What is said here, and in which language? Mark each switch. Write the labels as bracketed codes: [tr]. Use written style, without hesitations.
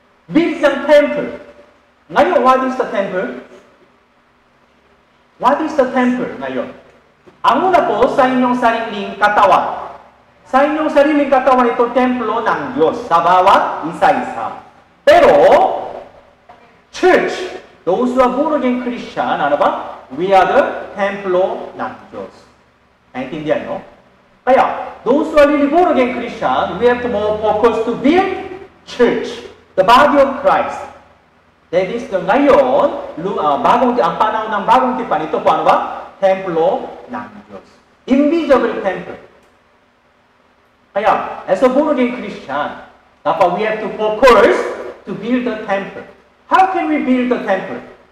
[en] Build ng temple. [tl] Ngayon, [en] what is the temple? What is the temple [tl] ngayon? Ang una po sa inyong sariling katawan. Sa inyong sariling katawan, ito templo ng Diyos sa bawat isa-isa. Pero, [en] church, those who are born again Christian, [tl] ano ba? [en] We are the [tl] templo ng Diyos. Naintindihan nyo? Kaya, [en] those who are really born again Christian, we have to more focus to build church, the body of Christ. That is the [tl] ngayon, ang panahon ng bagong tipan, ito po ano ba? Templo ng Diyos. [en] Invisible temple. [tl] Kaya, [en] as a born again Christian, [tl] dapat [en] we have to focus to build the temple. How can we build the temple?